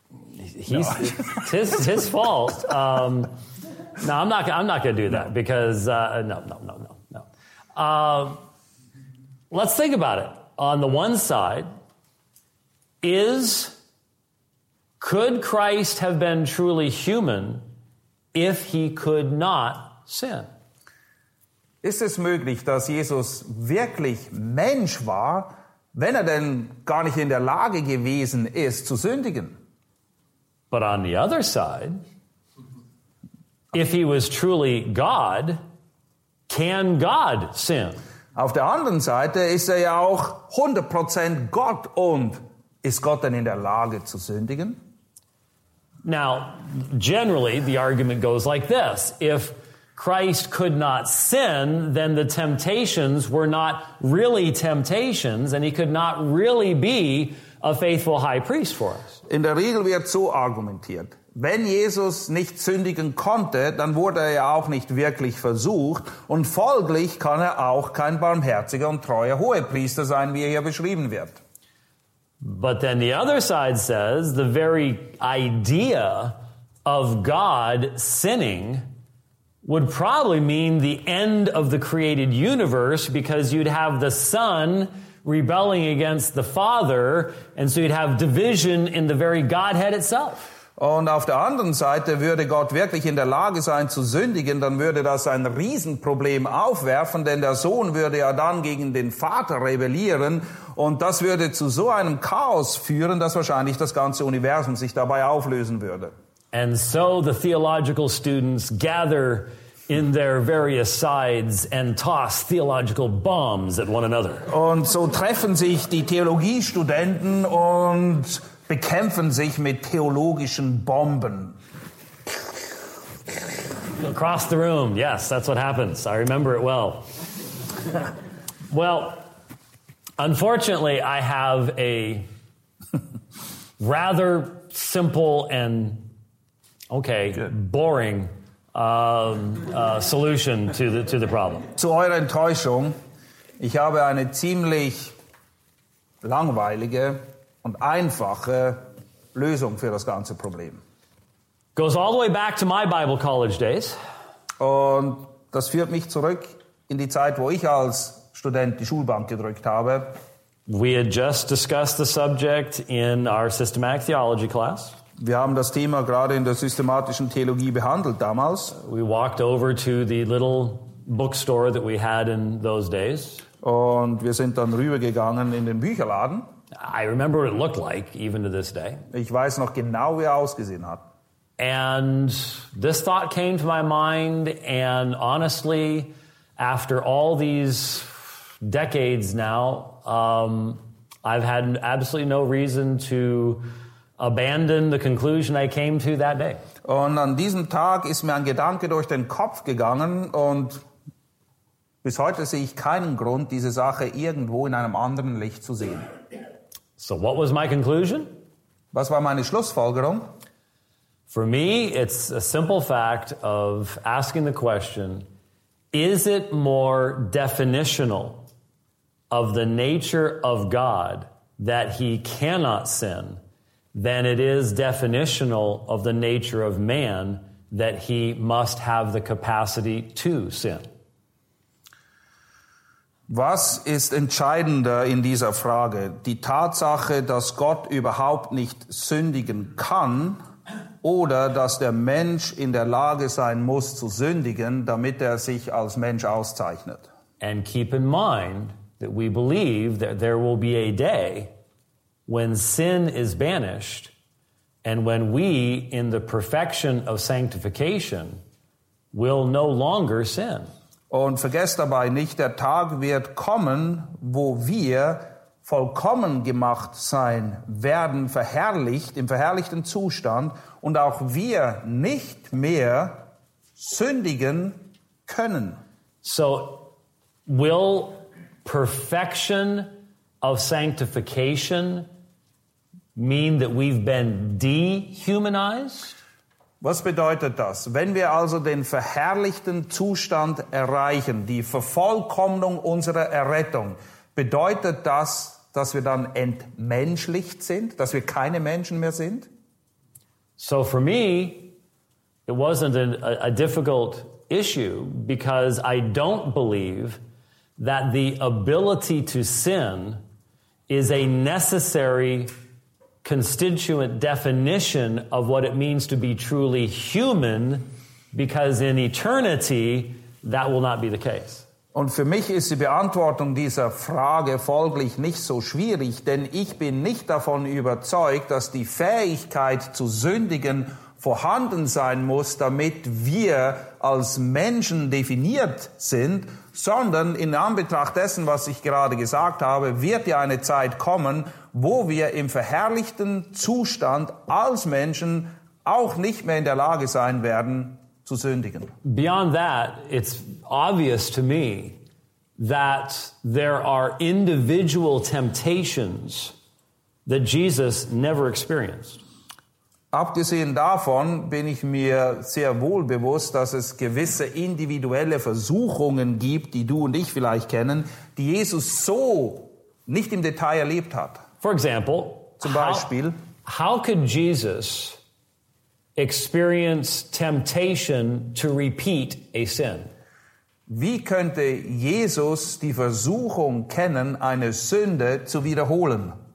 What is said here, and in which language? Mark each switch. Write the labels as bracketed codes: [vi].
[en] It's his fault. I'm not going to do that because no. Let's think about it. On the one side, could Christ have been truly human if he could not sin? [de] Ist es möglich, dass Jesus wirklich Mensch war, wenn er denn gar nicht in der Lage gewesen ist, zu sündigen? [en] But on the other side, if he was truly God, can God sin? [de] Auf der anderen Seite ist er ja auch 100% Gott. Und ist Gott denn in der Lage zu sündigen? [en] Now, generally, the argument goes like this. If Christ could not sin, then the temptations were not really temptations, and he could not really be a faithful high priest for us. [de] In der Regel wird so argumentiert. Wenn Jesus nicht sündigen konnte, dann wurde er ja auch nicht wirklich versucht. Und folglich kann er auch kein barmherziger und treuer Hohepriester sein, wie er hier beschrieben wird. [en] But then the other side says the very idea of God sinning would probably mean the end of the created universe, because you'd have the Son rebelling against the Father, and so you'd have division in the very Godhead itself. [de] Und auf der anderen Seite, würde Gott wirklich in der Lage sein zu sündigen, dann würde das ein Riesenproblem aufwerfen, denn der Sohn würde ja dann gegen den Vater rebellieren, und das würde zu so einem Chaos führen, dass wahrscheinlich das ganze Universum sich dabei auflösen würde. [en] And so the theological students gather in their various sides and toss theological bombs at one another. [de] Und so treffen sich die Theologiestudenten und bekämpfen sich mit theologischen Bomben. [en] Across the room, yes, that's what happens. I remember it well. Well, unfortunately, I have a rather simple and, okay, good, boring solution to the problem. [de] Zu eurer Enttäuschung, ich habe eine ziemlich langweilige und einfache Lösung für das ganze Problem. [en] Goes all the way back to my Bible college days. [de] Und das führt mich zurück in die Zeit, wo ich als Student die Schulbank gedrückt habe. [en] We had just discussed the subject in our systematic theology class. [de] Wir haben das Thema gerade in der systematischen Theologie behandelt damals. [en] We walked over to the little bookstore that we had in those days. [de] Und wir sind dann rübergegangen in den Bücherladen. [en] I remember what it looked like even to this day. [de] Ich weiß noch genau, wie ausgesehen hat. [en] And this thought came to my mind, and honestly, after all these decades now, I've had absolutely no reason to abandon the conclusion I came to that day. [de] Und an diesem Tag ist mir ein Gedanke durch den Kopf gegangen, und bis heute sehe ich keinen Grund, diese Sache irgendwo in einem anderen Licht zu sehen. [en] So what was my conclusion? [de] Was war meine Schlussfolgerung? [en] For me, it's a simple fact of asking the question, is it more definitional of the nature of God that he cannot sin than it is definitional of the nature of man that he must have the capacity to sin? [de] Was ist entscheidender in dieser Frage? Die Tatsache, dass Gott überhaupt nicht sündigen kann, oder dass der Mensch in der Lage sein muss zu sündigen, damit er sich als Mensch auszeichnet? [en] And keep in mind that we believe that there will be a day when sin is banished and when we in the perfection of sanctification will no longer sin. [de] Und vergesst dabei nicht, der Tag wird kommen, wo wir vollkommen gemacht sein werden, verherrlicht, im verherrlichten Zustand, und auch wir nicht mehr sündigen können. [en] So, will perfection of sanctification mean that we've been dehumanized? [de] Was bedeutet das? Wenn wir also den verherrlichten Zustand erreichen, die Vervollkommnung unserer Errettung, bedeutet das, dass wir dann entmenschlicht sind, dass wir keine Menschen mehr sind? [en] So for me, it wasn't a difficult issue, because I don't believe that the ability to sin is a necessary constituent definition of what it means to be truly human, because in eternity that will not be the case. [de] Und für mich ist die Beantwortung dieser Frage folglich nicht so schwierig, denn ich bin nicht davon überzeugt, dass die Fähigkeit zu sündigen vorhanden sein muss, damit wir als Menschen definiert sind, sondern in Anbetracht dessen, was ich gerade gesagt habe, wird ja eine Zeit kommen, wo wir im verherrlichten Zustand als Menschen auch nicht mehr in der Lage sein werden, zu sündigen. [en] Beyond that, it's obvious to me that there are individual temptations that Jesus never experienced. [de] Abgesehen davon bin ich mir sehr wohl bewusst, dass es gewisse individuelle Versuchungen gibt, die du und ich vielleicht kennen, die Jesus so nicht im Detail erlebt hat. [en] For example, [de] zum Beispiel, [en] how could Jesus experience temptation to repeat a sin? [de] Wie könnte Jesus die Versuchung kennen, eine Sünde zu wiederholen?